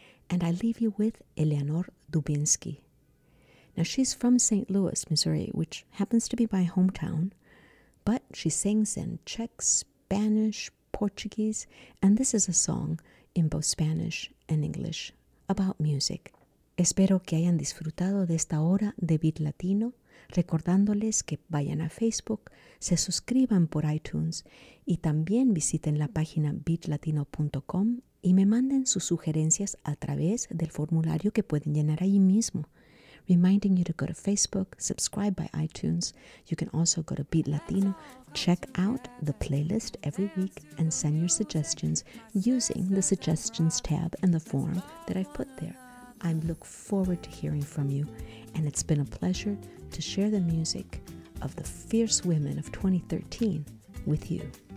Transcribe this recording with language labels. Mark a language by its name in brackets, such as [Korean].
[English] And I leave you with Eleanor Dubinsky. Now, she's from St. Louis, Missouri, which happens to be my hometown, but she sings in Czech, Spanish, Portuguese, and this is a song in both Spanish and English, about music. [Spanish] Espero que hayan disfrutado de esta hora de Beat Latino, recordándoles que vayan a Facebook, se suscriban por iTunes y también visiten la página beatlatino.com y me manden sus sugerencias a través del formulario que pueden llenar ahí mismo. [English] Reminding you to go to Facebook, subscribe by iTunes. You can also go to Beat Latino, check out the playlist every week, and send your suggestions using the suggestions tab and the form that I've put there. I look forward to hearing from you, and it's been a pleasure to share the music of the fierce women of 2013 with you.